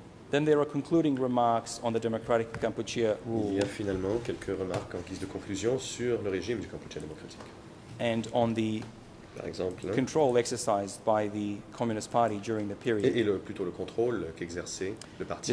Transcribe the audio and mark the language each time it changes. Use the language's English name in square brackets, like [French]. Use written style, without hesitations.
[English] Then there are concluding remarks on the Democratic Kampuchea rule. [French] Il y a finalement quelques remarques en guise de conclusion sur le régime du Kampuchea démocratique. [English] And on the control exercised by the Communist Party during the period. [French] Et le, plutôt le contrôle qu'exerçait le parti.